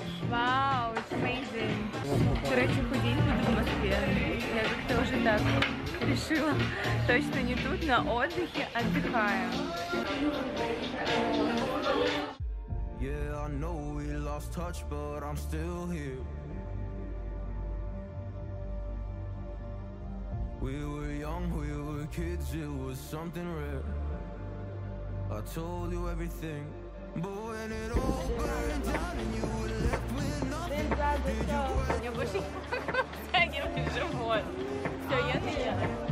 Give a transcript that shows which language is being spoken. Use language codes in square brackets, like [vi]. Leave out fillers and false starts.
[en] Вау, it's amazing. [ru] Короче, худеть буду в Москве. Я как-то уже так решила. Точно не тут, на отдыхе отдыхаю. [en] Yeah, I know we lost touch, but I'm still here. We were young, we were kids, it was something rare. I told you everything. But when it all burned down and you were left with nothing. Did you break your heart? [ru] Я больше не могу втягивать живот. Всё, я не еду.